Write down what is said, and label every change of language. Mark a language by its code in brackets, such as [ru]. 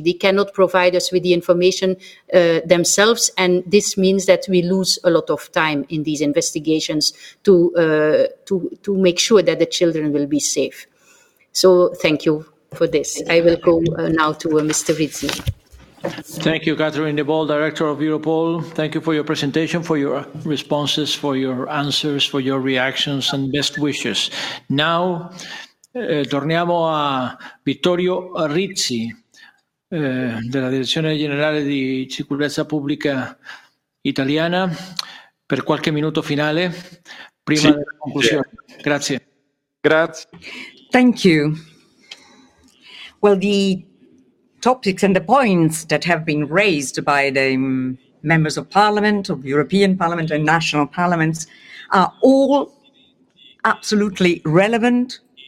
[en] They cannot provide us with the information themselves, and this means that we lose a lot of time in these investigations to make sure that the children will be safe. So thank you for this. I will go now to Mr. Rizzi. Thank you, Catherine de Bol, Director of Europol. Thank you for your presentation, for your responses, for your answers, for your reactions, and best wishes. [it] Now, torniamo a Vittorio Rizzi, della Direzione Generale di Sicurezza Pubblica Italiana, per qualche minuto finale, prima sì, della conclusione. Sì. Grazie. Grazie. [en] Thank you. Well, the topics and the points that have been raised by the members of Parliament, of European Parliament and national parliaments, are all absolutely relevant